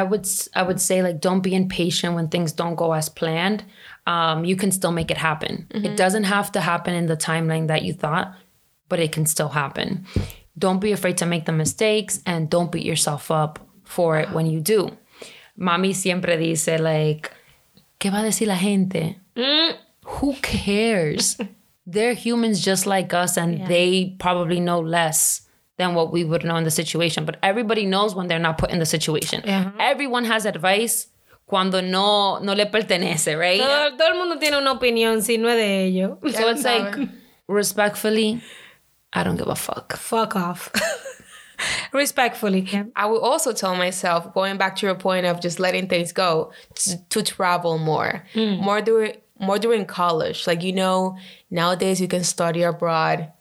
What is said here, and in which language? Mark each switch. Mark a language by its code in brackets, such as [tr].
[en] I would say like, don't be impatient when things don't go as planned. You can still make it happen. Mm-hmm. It doesn't have to happen in the timeline that you thought, but it can still happen. Don't be afraid to make the mistakes and don't beat yourself up for it when you do. [es] Mami siempre dice like, ¿qué va a decir la gente? [en] Who cares? They're humans just like us and they probably know less than what we would know in the situation. But everybody knows when they're not put in the situation. Yeah. Everyone has advice. [es] Cuando no le pertenece, [en] right? [es] Todo el mundo tiene una opinión, si no es de ello. [en] So it's like, respectfully, I don't give a fuck. Fuck off. Respectfully. I will also tell myself, going back to your point of just letting things go, to travel more. Mm. More during college. Like, you know, nowadays you can study abroad.